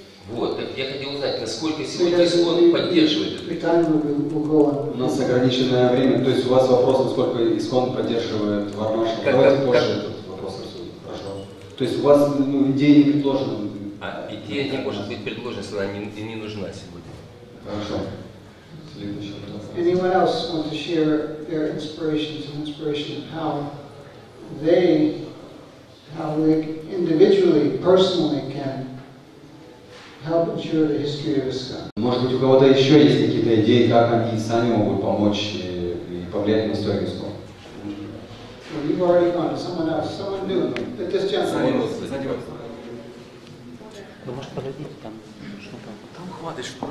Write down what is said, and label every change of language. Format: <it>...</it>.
<ru>Вот, так я хотел узнать, насколько сегодня ИСКОН поддерживает это? У нас ограниченное время, то есть у вас вопрос, насколько ИСКОН поддерживает Варнашрама. Давайте позже этот вопрос обсудим, хорошо. То есть у вас идея не предложена? Идея не может быть предложена, если она не нужна сегодня. Хорошо.</ru> <en>Anyone else want to share their inspirations and inspiration of how they individually, personally can help ensure the history of ISKCON.</en> <ru>Может быть, у кого-то еще есть какие-то идеи, как они сами могут помочь и повлиять на историю ИСКОН?</ru> <en>You've already gone to someone else, someone new. At this gentleman.</en> <ru>Сзади вас. Вы можете подойти там, что там? Там хватит.</ru>